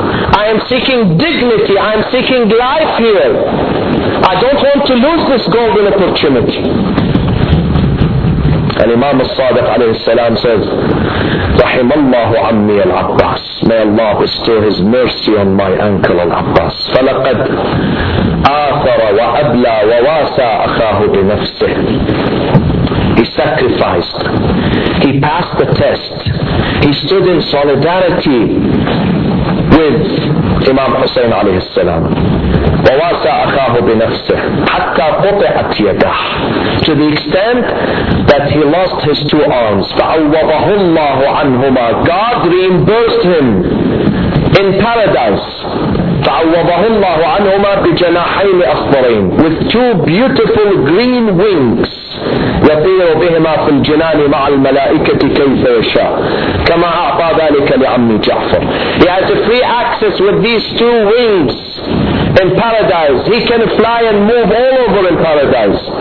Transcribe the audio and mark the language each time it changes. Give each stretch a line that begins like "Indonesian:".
English: I am seeking dignity. I am seeking life here. I don't want to lose this golden opportunity. And Imam al-Sadiq alayhi salam says,
Arabic: رحم الله عمي العباس.
English: May Allah bestow His mercy on my uncle al-Abbas.
Arabic: فلقد آثر وأبلى وواسى أخاه بنفسه.
English: He sacrificed. He passed the test. He stood in solidarity with Imam Hussein alayhi salam.
Arabic: وواسى أخاه بنفسه حتى قطعت يده.
English: To the extent that he lost his two arms.
Arabic: فعوضه الله عنهما.
English: God reimbursed him in paradise.
Arabic: فعوضه الله عنهما بجناحين أخضرين.
English: With two beautiful green wings.
Arabic: يطير بهما في الجنان مع الملائكة كيف يشاء كما أعطى ذلك لعمي جعفر.
English: He has a free access with these two wings in paradise. He can fly and move all over in paradise.